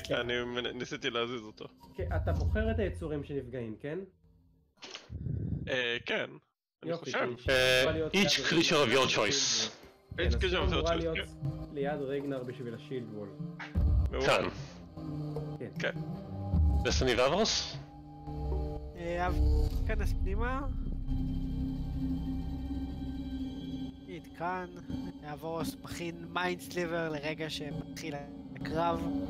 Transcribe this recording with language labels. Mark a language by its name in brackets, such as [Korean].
[Hebrew] כן, אני ניסיתי להזיז אותו. אתה בוחר את היצורים שנפגעים, כן? כן, אני חושב. [English] Each creature of your choice. Each creature of your choice, [Hebrew] כן. אז אמורה להיות ליד רגנר בשביל השילד וול. כאן. כן. דסטיני ואברוס? כנס פנימה. עד כאן. אבורוס מכין מיינד סליבר לרגע שמתחיל הקרב.